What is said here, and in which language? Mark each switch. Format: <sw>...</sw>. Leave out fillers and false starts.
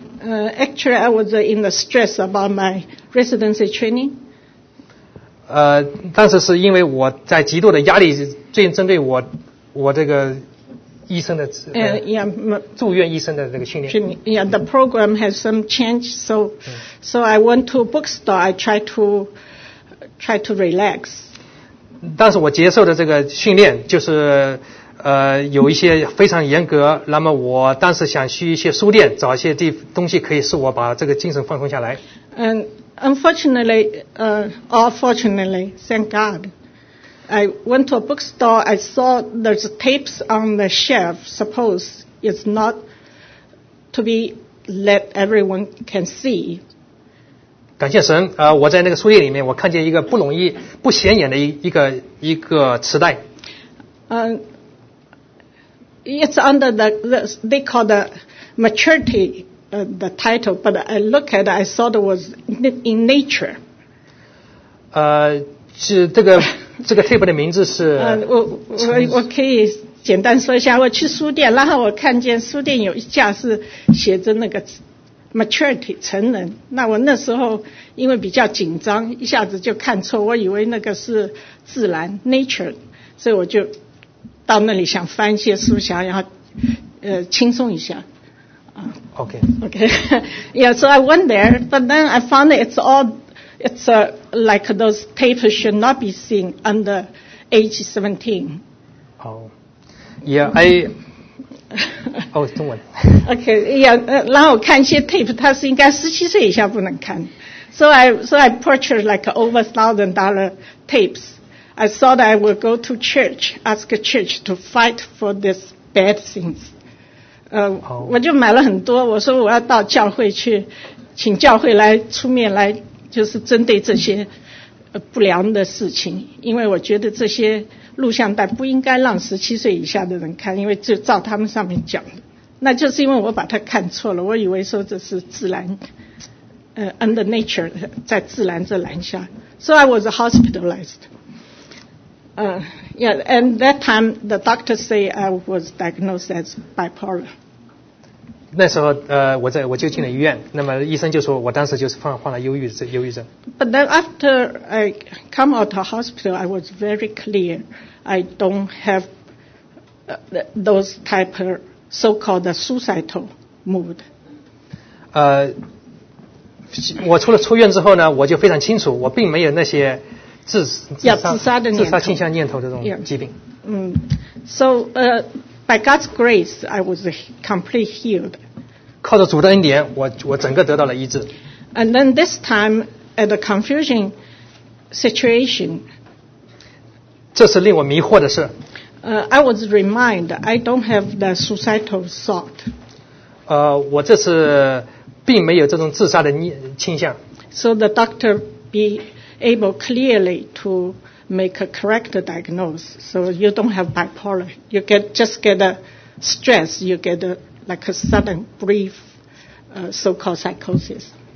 <en>Actually, I was in the stress about my residency training.</en> <zh>当时是因为我在极度的压力，针对我这个。医生的住院医生的那个训练</zh> <en>yeah, the program has some change, so I went to a bookstore. I try to relax.</en> <zh>但是我接受的这个训练就是有一些非常严格，那么我当时想去一些书店找一些东西可以使我把这个精神放松下来。</zh> <en>And unfortunately, or fortunately, thank God,I went to a bookstore. I saw there's tapes on the shelf. Suppose it's not to be let everyone can see.</en> <zh>感谢神，我在那个书店里面，我看见一个不容易不显眼的一个磁带。</zh> <en>It's under the they call the maturity the title. But I look at it, I thought it was in nature.</en> <zh>这个 tape 的名字是我可以简单说一下。我去书店，然后我看见书店有一架是写着那个 maturity 成人。那我那时候因为比较紧张，一下子就看错，我以为那个是自然 nature， 所以我就到那里想翻一些书，想然后轻松一下。</zh> <en>Okay. Yeah. So I went there, but then I found it's all. It's like those tapes should not be seen under age 17. Oh, yeah, I. Oh, 中文 Okay, yeah.</en> <zh>然后我看一些 tape， 它是应该17岁以下不能看。</zh> <en>So I purchased like over $1,000 tapes. I thought I would go to church, ask church to fight for these bad things.</en> <zh>我就买了很多。我说我要到教会去，请教会来出面来。就是针对这些不良的事情，因为我觉得这些录像带不应该让17岁以下的人看，因为就照他们上面讲的，那就是因为我把它看错了，我以为说这是自然 under nature，在自然这栏下。</zh> <en>So I was hospitalized. Yeah, and that time the doctor say I was diagnosed as bipolar.</en> <zh>那时候我就进了医院，那么医生就说我当时就是患了忧郁症。</zh> <en>But then after I come out of hospital, I was very clear. I don't have those type of so-called suicidal mood.</en> <zh>我除了出院之后呢，我就非常清楚，我并没有那些自杀倾向念头这种疾病。</zh> <en>Yeah. By God's grace, I was completely healed.</en> <zh>靠着主的恩典，我整个得到了医治。</zh> <en>And then this time, at a confusing situation,</en> <zh>这是令我迷惑的事。</zh> <en>I was reminded I don't have the suicidal thought.</en> <zh>我这次并没有这种自杀的倾向。</zh> <en>So the doctor be able clearly to make a correct diagnosis. So you don't have bipolar. You get just get a stress. You get a, like a sudden brief so-called psychosis.</en>